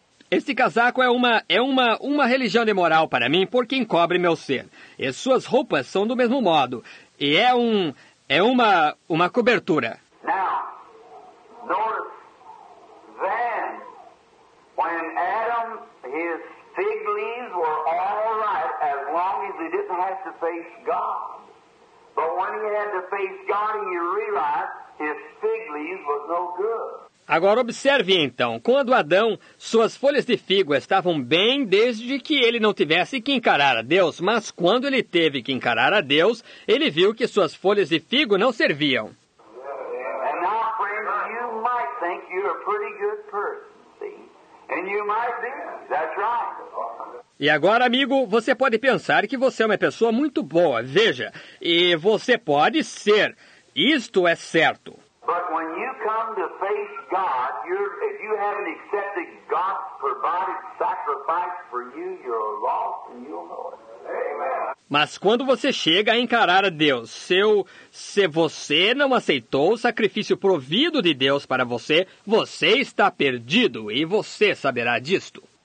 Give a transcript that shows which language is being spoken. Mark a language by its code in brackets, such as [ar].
[pt] Este casaco é uma religião de moral para mim, porque encobre meu ser. E suas roupas são do mesmo modo. E é uma cobertura. [en] Now, notice, then, when Adam, his fig leaves were all right as long as he didn't have to face God. But when he had to face God, he realized his fig leaves was no good. [pt] Agora observe então, quando Adão, suas folhas de figo estavam bem desde que ele não tivesse que encarar a Deus, mas quando ele teve que encarar a Deus, ele viu que suas folhas de figo não serviam. [en] And now, friend, you might think you're a pretty good person, see? And that's right. [pt] E agora, amigo, você pode pensar que você é uma pessoa muito boa, veja, e você pode ser, isto é certo. [en] But when you come to face God, if you haven't accepted God's provided sacrifice for you, you're lost and you'll know it. [pt] Mas quando você chega a encarar a Deus, se você não aceitou o sacrifício provido de Deus para você, você está perdido e você saberá disto.